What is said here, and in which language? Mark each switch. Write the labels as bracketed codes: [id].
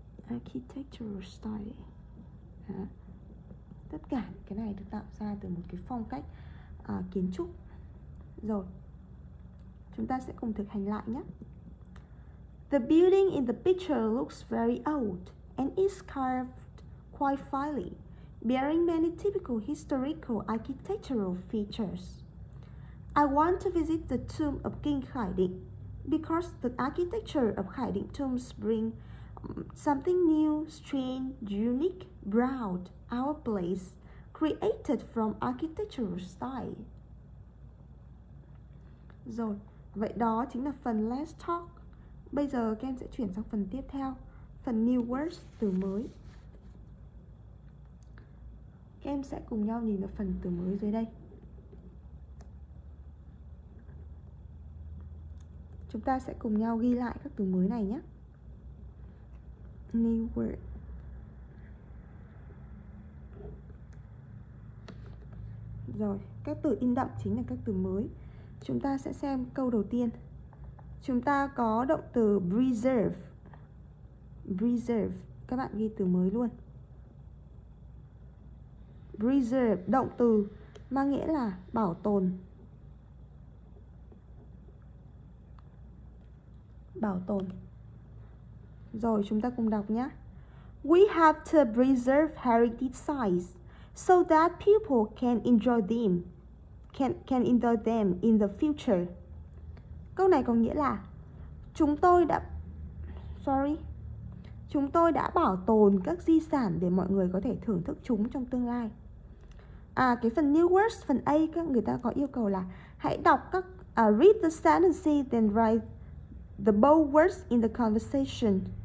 [en] Architectural style. [vi] Đó. Tất cả cái này được tạo ra từ một cái phong cách kiến trúc. Rồi, chúng ta sẽ cùng thực hành lại nhé. [en] The building in the picture looks very old and is carved quite finely, bearing many typical historical architectural features. I want to visit the tomb of King Khải Định because the architecture of Khải Định tombs bring something new, strange, unique, proud, our place, created from architectural style. [vi] Rồi, vậy đó chính là phần Let's Talk. Bây giờ các em sẽ chuyển sang phần tiếp theo, phần New Words, từ mới. Các em sẽ cùng nhau nhìn vào phần từ mới dưới đây. Chúng ta sẽ cùng nhau ghi lại các từ mới này nhé. New Word. Rồi, các từ in đậm chính là các từ mới. Chúng ta sẽ xem câu đầu tiên. Chúng ta có động từ preserve. Preserve, các bạn ghi từ mới luôn. Preserve, động từ mang nghĩa là bảo tồn. Bảo tồn. Rồi, chúng ta cùng đọc nhé. [en] We have to preserve heritage sites so that people can enjoy them. Can enjoy them in the future. [vi] Câu này có nghĩa là chúng tôi đã bảo tồn các di sản để mọi người có thể thưởng thức chúng trong tương lai. Cái phần new words phần A, các người ta có yêu cầu là hãy đọc các [en] read the sentence then write the bold words in the conversation.